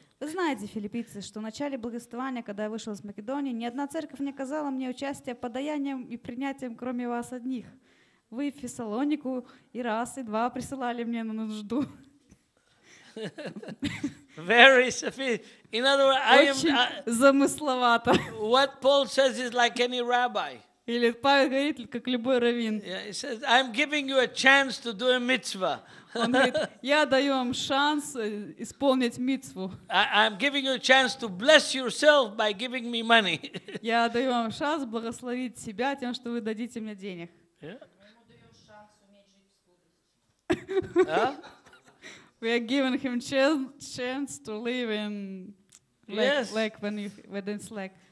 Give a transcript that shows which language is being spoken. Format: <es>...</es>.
<ru>Вы знаете, филиппийцы, что в начале благовествования, когда я вышел из Македонии, ни одна церковь не оказала мне участия подаянием и принятием, кроме вас одних. Вы в Фессалонику и раз, и два присылали мне на нужду.</ru> <en>Very sophisticated. In other words, I</en> <ru>очень замысловато.</ru> <en>What Paul says is like any rabbi.</en> <ru>Или Павел говорит, как любой раввин.</ru> <en>Yeah, he says, I'm giving you a chance to do a mitzvah.</en> <ru>Он говорит, я даю вам шанс исполнить мицву.</ru> <en>I'm giving you a chance to bless yourself by giving me money.</en> <ru>Я даю вам шанс благословить себя тем, что вы дадите мне денег.</ru> <en>Yeah. We are giving him chance to live in like when you within slack.</en>